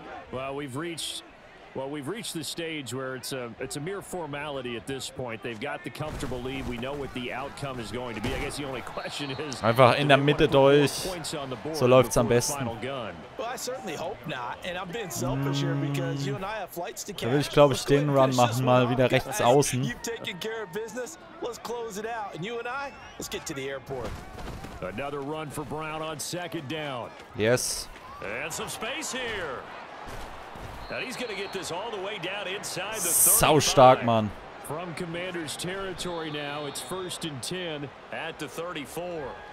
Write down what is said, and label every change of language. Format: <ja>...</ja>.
<en>Well, we've reached the stage where it's a mere formality at this point. They've got the comfortable lead. We know what the outcome is going to be. I guess the only question is</en> <de>einfach in der Mitte durch. So läuft's am besten.</de> <en>Well, I certainly hope not. And I'm being selfish here because you and I have flights to catch.</en> <de>Da will ich, glaube ich, den Run machen, mal wieder rechts außen.</de> <en>You've taken care of business. Let's close it out. And you and I, let's get to the airport. Another run for Brown on second down. Yes. And some space here. Now he's gonna get this all the way down inside the 35.</en> <de>Sau stark, Mann.</de> <en>From Commanders territory now, it's first and 10 at the 34.</en>